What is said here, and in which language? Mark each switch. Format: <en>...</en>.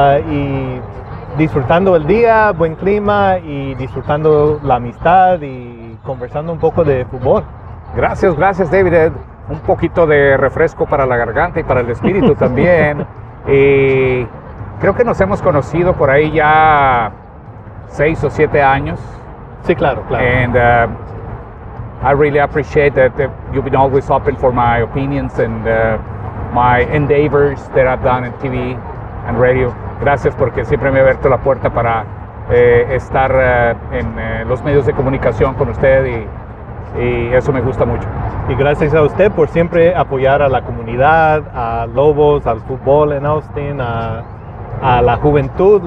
<es>Y disfrutando el día, buen clima y disfrutando la amistad y conversando un poco de fútbol. Gracias, gracias, David. Un poquito de refresco para la garganta y para el espíritu también. Y creo que nos hemos conocido por ahí ya 6 o 7 años. Sí, claro, claro.</es> <en>And I really appreciate that you've been always open for my opinions and my endeavors that I've done in TV and radio.</en> <es>Gracias porque siempre me ha abierto la puerta para estar en los medios de comunicación con usted y eso me gusta mucho. Y gracias a usted por siempre apoyar a la comunidad, a Lobos, al fútbol en Austin, a la juventud.</es>